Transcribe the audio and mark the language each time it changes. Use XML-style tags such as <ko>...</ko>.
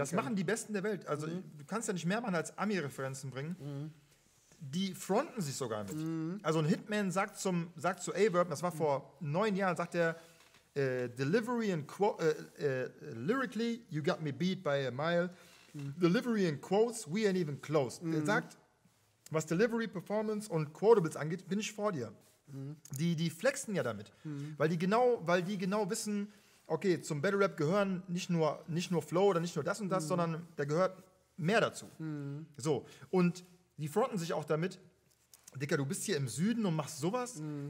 <de>Das machen die Besten der Welt. Also du kannst ja nicht mehr machen als Ami-Referenzen bringen. Die fronten sich sogar mit. Also ein Hitman sagt zu A-Verb, das war vor 9 Jahren, sagt er,</de> <en>Delivery and lyrically, you got me beat by a mile. Delivery and quotes, we ain't even close.</en> <de>Er sagt, was Delivery, Performance und Quotables angeht, bin ich vor dir. Die flexen ja damit, weil die genau wissen, okay, zum Battle Rap gehören nicht nur Flow oder nicht nur das und das, sondern da gehört mehr dazu. So, und die fronten sich auch damit, Dicker, du bist hier im Süden und machst sowas.</de>